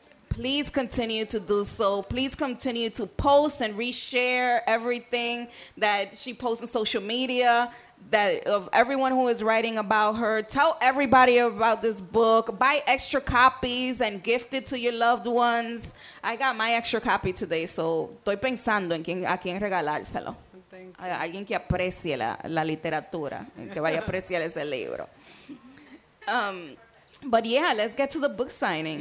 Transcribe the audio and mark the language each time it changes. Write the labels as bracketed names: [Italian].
[English] Please continue to do so. Please continue to post and reshare everything that she posts on social media, that of everyone who is writing about her. Tell everybody about this book. Buy extra copies and gift it to your loved ones. I got my extra copy today, so [Spanish] estoy pensando en quien, a quien regalárselo. [English] Thank you. [Spanish] A alguien que aprecie la literatura, que vaya a apreciar ese libro. [English] But yeah, let's get to the book signing.